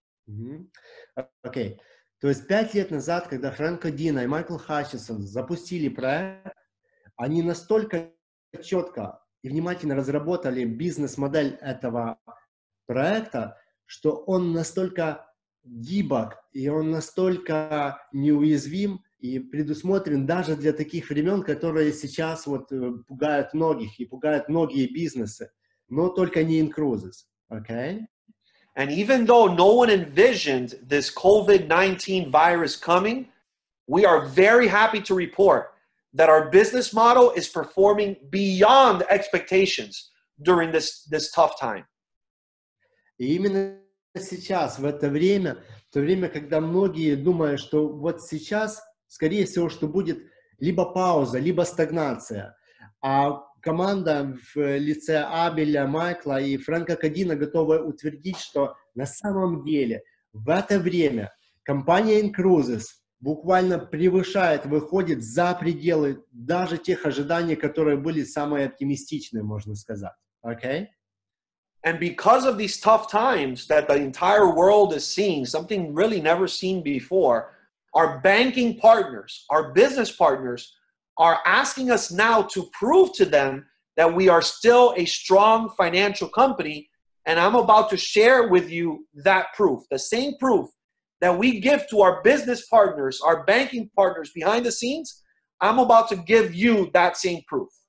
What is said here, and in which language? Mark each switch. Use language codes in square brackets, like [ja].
[ru] Mm-hmm. Окей. Okay. То есть 5 лет назад, когда Фрэнк Одино и Майкл Хатчинсон запустили проект, они настолько четко и внимательно разработали бизнес-модель этого проекта, что он настолько гибок, и он настолько неуязвим и предусмотрен даже для таких времен, которые сейчас вот пугают многих и пугают многие бизнесы, но только не Incruises. Окей? Okay? [en] And even though no one envisioned this COVID-19 virus coming, we are very happy to report that our business model is performing beyond expectations during this tough time. [ru] И именно сейчас, в это время, когда многие думают, что вот сейчас, скорее всего, что будет либо пауза, либо стагнация, а команда в лице Абеля, Майкла и Фрэнка Одино готова утвердить, что на самом деле в это время компания Incruises буквально превышает, выходит за пределы даже тех ожиданий, которые были самые оптимистичные, можно сказать. Okay? [en] And because of these tough times that the entire world is seeing, something really never seen before, our banking partners, our business partners are asking us now to prove to them that we are still a strong financial company, and I'm about to share with you that proof, the same proof that we give to our business partners, our banking partners behind the scenes, I'm about to give you that same proof.